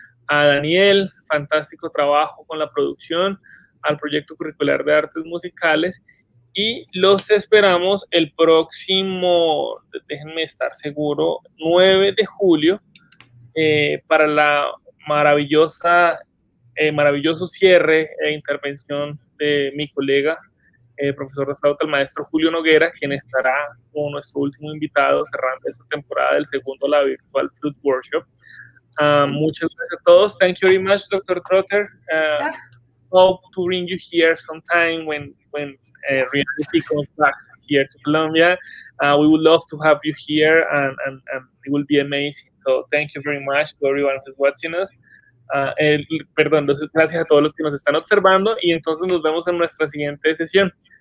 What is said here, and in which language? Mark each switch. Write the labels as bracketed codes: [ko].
[es] A Daniel, fantástico trabajo con la producción, al Proyecto Curricular de Artes Musicales, y los esperamos el próximo, déjenme estar seguro, 9 de julio, para la maravillosa, maravilloso cierre e intervención de mi colega, profesor de flauta, el maestro Julio Noguera, quien estará como nuestro último invitado cerrando esta temporada del segundo, la Virtual Flute Workshop. Muchas gracias a todos. [en] Thank you very much, Dr. Trotter. Hope to bring you here sometime when reality comes back here to Colombia. We would love to have you here, and it will be amazing. So thank you very much to everyone who's watching us. [es] Perdón, gracias a todos los que nos están observando, y entonces nos vemos en nuestra siguiente sesión.